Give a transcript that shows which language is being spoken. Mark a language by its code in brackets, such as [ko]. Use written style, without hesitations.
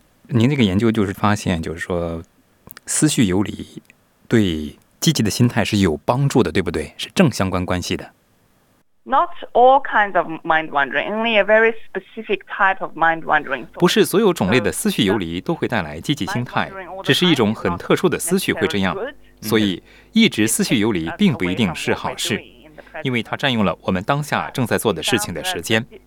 [zh] 您这个研究就是发现，就是说思绪游离对积极的心态是有帮助的，对不对？是正相关关系的。 [en] Not all kinds of mind wandering, only a very specific type of mind wandering. [zh] 不是所有种类的思绪游离都会带来积极心态，只是一种很特殊的思绪会这样。所以，一直思绪游离并不一定是好事，因为它占用了我们当下正在做的事情的时间。